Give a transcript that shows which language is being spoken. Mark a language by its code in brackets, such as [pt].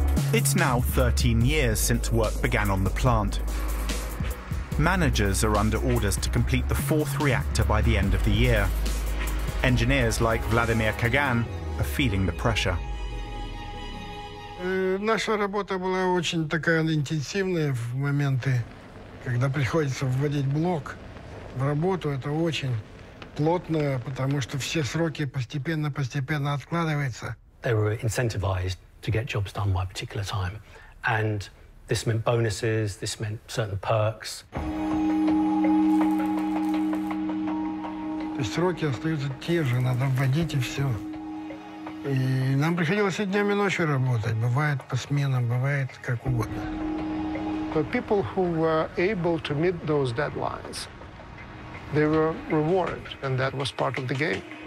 [en] It's now 13 years since work began on the plant. Managers are under orders to complete the fourth reactor by the end of the year. Engineers like Vladimir Kagan are feeling the pressure. [ru] Наша работа была очень такая интенсивная в моменты, когда приходится вводить блок в работу. Это очень плотно, потому что все сроки постепенно откладываются. [en] They were incentivized to get jobs done by a particular time. And this meant bonuses, this meant certain perks. [ru] То есть сроки остаются те же, надо вводить и все. И нам приходилось и днем, и ночью работать. Бывает по сменам, бывает как угодно. [en] But people who were able to meet those deadlines, they were rewarded, and that was part of the game.